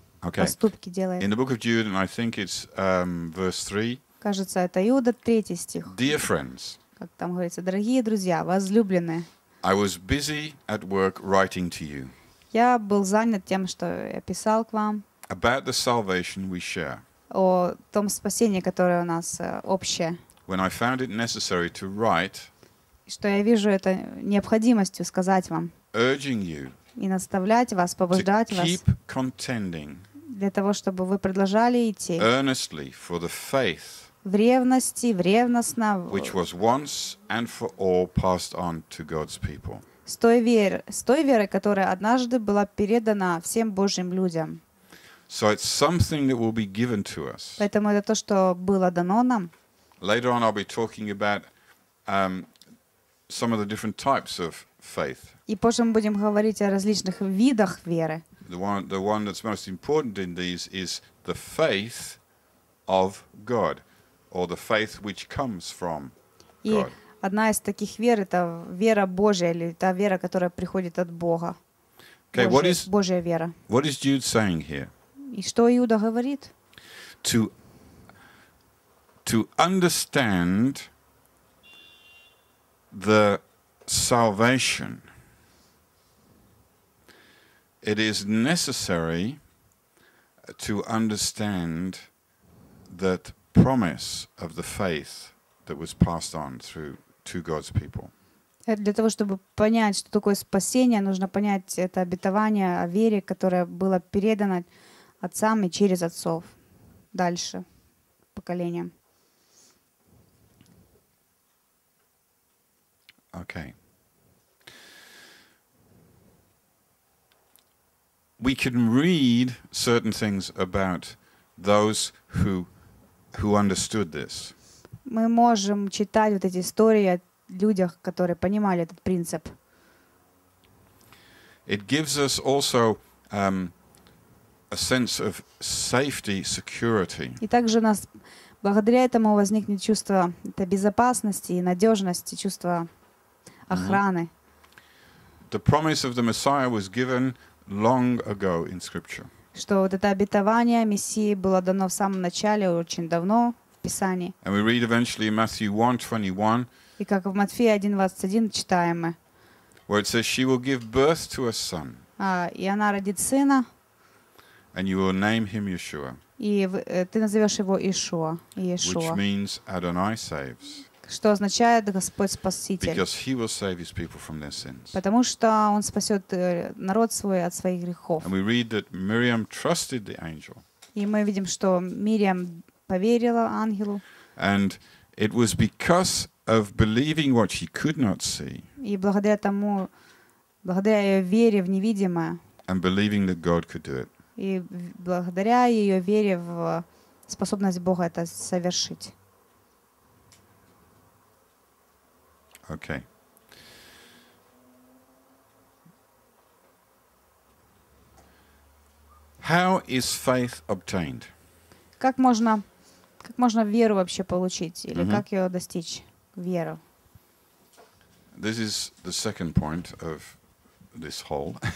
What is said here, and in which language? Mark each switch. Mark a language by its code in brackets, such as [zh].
[en] okay. [ru] Поступки делает. [en] In the book of Jude, and I think it's verse 3. [ru] Кажется, это Иуда, 3 стих. [en] Dear friends, [ru] как там говорится, дорогие друзья, возлюбленные. [en] I was busy at work writing to you. [ru] Я был занят тем, что я писал к вам. [en] About the salvation we share. [ru] О том спасении, которое у нас общее. [en] When I found it necessary to write. [ru] Что я вижу это необходимостью сказать вам. [en] Urging you. [ru] И наставлять вас, побуждать вас. [en] Keep contending. [ru] Для того, чтобы вы продолжали идти. [en] Earnestly for the faith. [ru] В ревности, в ревностно, [en] which was once and for all passed on to God's people. [ru] С той верой, которая однажды была передана всем Божьим людям. [en] So it's something that will be given to us. [ru] Поэтому это то, что было дано нам. [en] Later on I'll be talking about some of the different types of faith. [ru] И позже мы будем говорить о различных видах веры. [en] The one that's most important in these is the faith of God. Or the faith which comes from God. [ru] И одна из таких вер — это вера Божья или та вера, которая приходит от Бога. [en] Okay, [ru] Божья вера. [en] What is Jude saying here? [ru] И что Иуда говорит? [en] To understand the salvation, it is necessary to understand that promise of the faith that was passed on through to God's people. [ru] Для того, чтобы понять, что такое спасение, нужно понять это обетование о вере, которое было передано отцам и через отцов дальше поколениям. [en] Okay. We can read certain things about those who understood this. [ru] Мы можем читать вот эти истории о людях, которые понимали этот принцип. [en] It gives us also a sense of safety, security. [ru] И также у нас благодаря этому возникнет чувство этой безопасности и надежности, чувство охраны. [en] The promise of the Messiah was given long ago in Scripture. [ru] Что вот это обетование Мессии было дано в самом начале, очень давно, в Писании. [en] And we read eventually in Matthew 1:21. [ru] И как в Матфея 1:21 читаем мы. [en] Where it says, she will give birth to a son. [ru] И она родит сына. [en] And you will name him Yeshua. [ru] И ты назовешь его Иешуа. Иешуа. [en] Which means Adonai saves. [ru] Что означает Господь Спаситель. [en] Because he will save his people from their sins. [ru] Потому что Он спасет народ свой от своих грехов. [en] And we read that Miriam trusted the angel. [ru] И мы видим, что Мириам поверила ангелу. [en] And it was because of believing what she could not see. [ru] И благодаря тому, благодаря ее вере в невидимое. [en] And believing that God could do it. [ru] И благодаря ее вере в способность Бога это совершить. [en] Okay. How is faith obtained? [ru] Как можно веру вообще получить или как ее достичь, веру? [en] This is the second point of this whole.